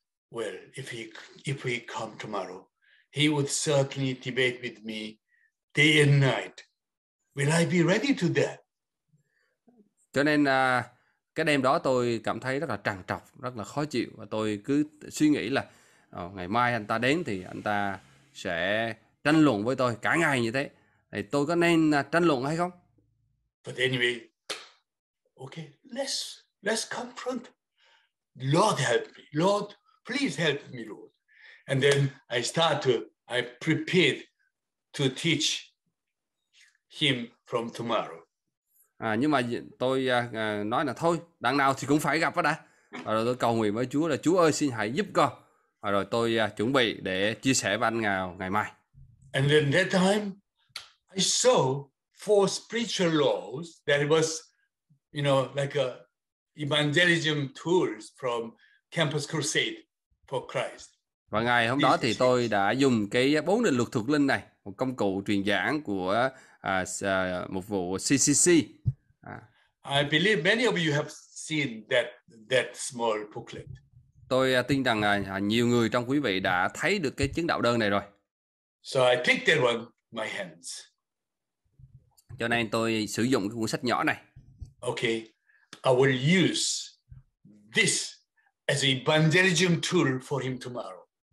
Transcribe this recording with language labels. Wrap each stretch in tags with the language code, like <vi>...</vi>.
<en>Well, if we come tomorrow, he would certainly debate with me day and night. Will I be ready to that?</en> <vi>Cho nên cái đêm đó tôi cảm thấy rất là trằn trọc, rất là khó chịu. Và tôi cứ suy nghĩ là ngày mai anh ta đến thì anh ta sẽ tranh luận với tôi cả ngày như thế. Thì tôi có nên tranh luận hay không?</vi> <en>But anyway, okay, let's confront. Lord help me. Lord, please help me, Lord. And then I prepared to teach him from tomorrow.</en> <vi>Nhưng mà tôi nói là thôi, đằng nào thì cũng phải gặp đó đã. Rồi tôi cầu nguyện với Chúa là Chúa ơi xin hãy giúp con. Rồi tôi chuẩn bị để chia sẻ với anh Ngào ngày mai.</vi> <en>And then that time I saw 4 spiritual laws that was, you know, like a evangelism tools from Campus Crusade for Christ.</en> <vi>Và ngày hôm đó thì tôi đã dùng cái 4 định luật thuộc linh này, một công cụ truyền giảng của một vụ CCC.</vi> <en>I believe many of you have seen that small booklet.</en> <vi>Tôi tin rằng nhiều người trong quý vị đã thấy được cái chứng đạo đơn này rồi.</vi> <en>So I picked that one my hands.</en> <vi>Cho nên tôi sử dụng cái cuốn sách nhỏ này.</vi> <en>Okay. I will use this as an evangelism tool for him tomorrow.</en>